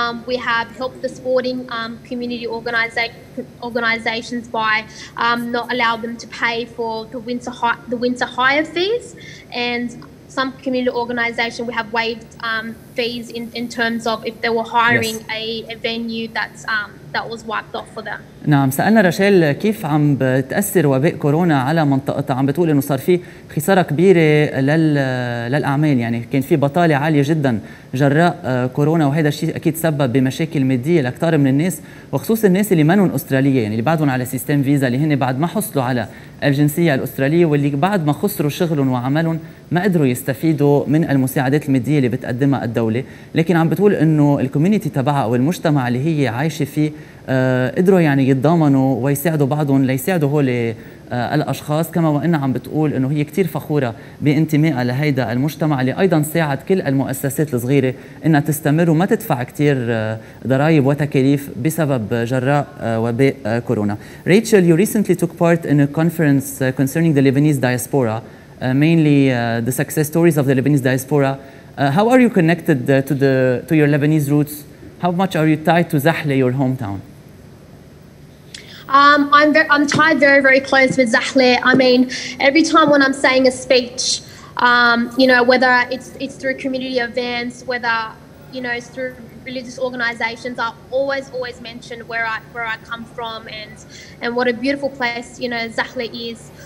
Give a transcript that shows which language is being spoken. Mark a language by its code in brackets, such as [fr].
[en] We have helped the sporting community organizations by not allow them to pay for the winter hire fees. And some community organisation, we have waived fees in terms of if they were hiring, yes, a venue that was wiped off for them. [ar] نعم، سألنا راشيل كيف عم بتأثر وباء كورونا على منطقتها. عم بتقول إنه صار في خسارة كبيرة للأعمال، يعني كان في بطالة عالية جدا جراء كورونا، وهذا الشيء أكيد سبب بمشاكل مادية لكثير من الناس، وخصوصا الناس اللي منهم أسترالية، يعني اللي بعدهم على سيستم فيزا، اللي هن بعد ما حصلوا على الجنسية الأسترالية، واللي بعد ما خسروا شغلهم وعملهم ما قدروا يستفيدوا من المساعدات المادية اللي بتقدمها الدولة. لكن عم بتقول إنه الكوميونيتي تبعها أو المجتمع اللي هي عايشة فيه قدروا يعني يتضامنوا ويساعدوا بعضهم ليساعدوا هول الأشخاص، كما وإنها عم بتقول إنه هي كتير فخورة بانتمائها لهيدا المجتمع اللي أيضا ساعد كل المؤسسات الصغيرة إنها تستمر وما تدفع كتير ضرائب وتكاليف بسبب جراء وباء كورونا. [en] Rachel, you recently took part in a conference concerning the Lebanese diaspora, mainly the success stories of the Lebanese diaspora. How are you connected to your Lebanese roots? How much are you tied to Zahle, your hometown? I'm tied very, very close with Zahle. I mean, every time when I'm saying a speech, you know, whether it's through community events, whether, you know, it's through religious organisations, I always mention where I come from and what a beautiful place, you know, Zahle is.